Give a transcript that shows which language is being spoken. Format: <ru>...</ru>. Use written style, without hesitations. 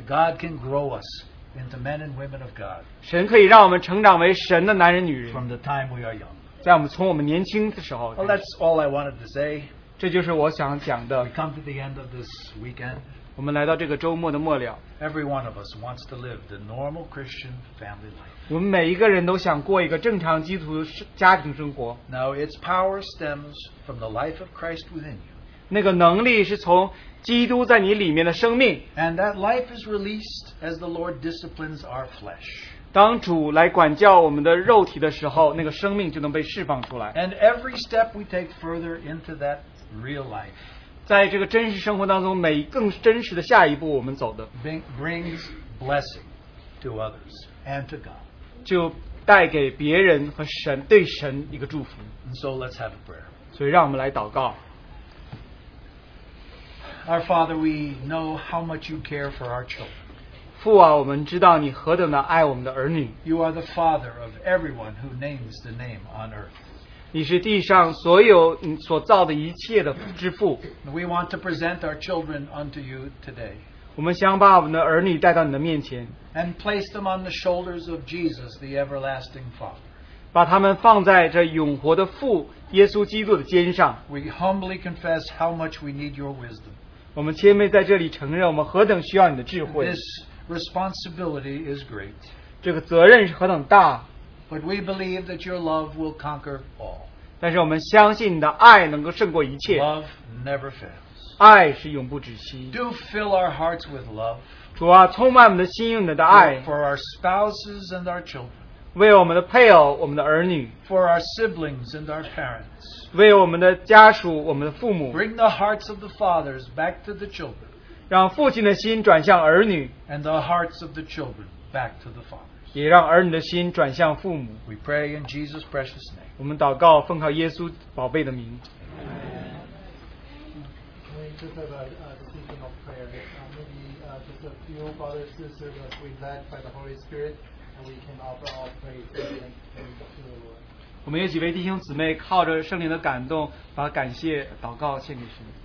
<en>God can grow us into men and women of God.</en> <zh>神可以让我们成长为神的男人女人。</zh> <en>From the time we are young.</en> <zh>在我们从我们年轻的时候。</zh> <en>Well, that's all I wanted to say.</en> <zh>这就是我想讲的。</zh> <en>We come to the end of this weekend.</en> <zh>我们来到这个周末的末了。</zh> <en>Every one of us wants to live the normal Christian family life.</en> <zh>我们每一个人都想过一个正常基督徒家庭生活。</zh> <en>Now, its power stems from the life of Christ within you.</en> <zh>那个能力是从 基督在你里面的生命,</zh> <en>and that life is released as the Lord disciplines our flesh.</en> <zh>当主来管教我们的肉体的时候, 那个生命就能被释放出来。</zh> <en>And every step we take further into that real life,</en> <zh>在这个真实生活当中, 每更真实的下一步, 我们走的,</zh> <en>brings blessing to others and to God.</en> <zh>就带给别人和神, 对神一个祝福。</zh> <en>And so let's have a prayer.</en> <zh>所以让我们来祷告。</zh> <en>Our Father, we know how much you care for our children.</en> <zh>父啊, 我们知道你何等的爱我们的儿女。</zh> <en>You are the Father of everyone who names the name on earth.</en> <zh>你是地上所有所造的一切的之父。</zh> <en>We want to present our children unto you today.</en> <zh>我们想把我们的儿女带到你的面前。</zh> <en>And place them on the shoulders of Jesus, the everlasting Father.</en> <zh>把他们放在这永活的父耶稣基督的肩上。</zh> <en>We humbly confess how much we need your wisdom.</en> <zh>我们谦卑在这里承认我们何等需要你的智慧。</zh> <en>This responsibility is great.</en> <zh>这个责任是何等大。</zh> <en>But we believe that your love will conquer all.</en> <zh>但是我们相信你的爱能够胜过一切。</zh> <en>Love never fails.</en> <zh>爱是永不止息。</zh> <en>Do fill our hearts with love.</en> <zh>主啊, 充满我们的心用你的爱。</zh> <en>For our spouses and our children.</en> <zh>为我们的配偶, 我们的儿女。</zh> <en>For our siblings and our parents.</en> <zh>为我们的家属, 我们的父母,</zh> <en>bring the hearts of the fathers back to the children.</en> <zh>让父亲的心转向儿女,</zh> <en>and the hearts of the children back to the fathers.</en> <zh>也让儿女的心转向父母,</zh> <en>we pray in Jesus' precious name.</en> <zh>我们祷告, 奉靠耶稣宝贝的名。</zh> <en>Amen. Can we just have a season of prayer? Maybe just a few brothers and sisters that we led by the Holy Spirit, and we can offer our praise and to the Lord.</en> <zh>我们有几位弟兄姊妹靠着圣灵的感动，把感谢祷告献给神。</zh>